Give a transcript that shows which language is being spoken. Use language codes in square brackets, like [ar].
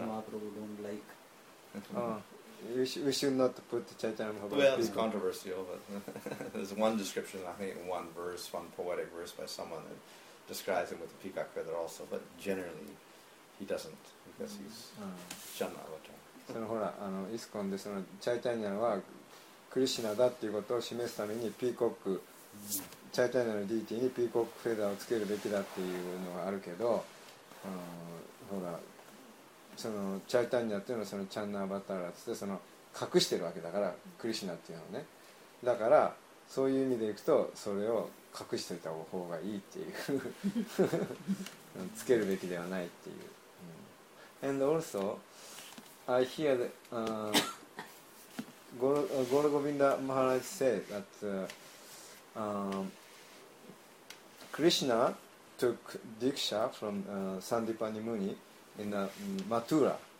[en] Chaitanya Mahaprabhu don't like. We should not put Chaitanya Mahaprabhu. Well, it's controversial, but there's one description, I think, one poetic verse by someone that describes him with a peacock feather also, but generally he doesn't, because he's Chanda Avatar. [ja] そのほらあのイスコンでそのチャイタニアはクリシナだっていうことを示すためにピーコックチャイタニアのディーティーにピーコックフェザーをつけるべきだっていうのがあるけど、ほらそのチャイタニアっていうのはそのチャンナーバタラってその隠してるわけだからクリシナっていうのはね、だからそういう意味でいくとそれを隠しておいた方がいいっていうつけるべきではないっていう、 [en] And also, I hear that Gaura Govinda Maharaj said that Krishna took Diksha from Sandipani Muni in Mathura.